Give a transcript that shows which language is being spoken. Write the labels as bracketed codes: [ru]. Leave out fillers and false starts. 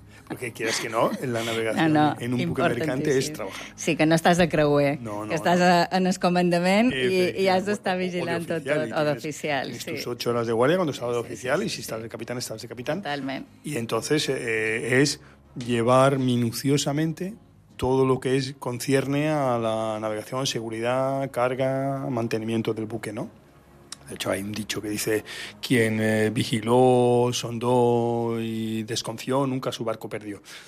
[es] Porque quieras que no, en la navegación no, en un buque mercante es trabajar. [ca] Sí, que no estàs de creuer, que estàs en el comandament i has d'estar vigilant tot, o d'oficial. [es] Tienes tus 8 horas de guardia cuando estaba de oficial, y si estás de capitán, estás de capitán. Totalmente. Y entonces es llevar minuciosamente todo lo que es concierne a la navegación, seguridad, carga, mantenimiento del buque, ¿no? De hecho, hay un dicho que dice, quien vigiló, sondó y desconfió, nunca su barco perdió.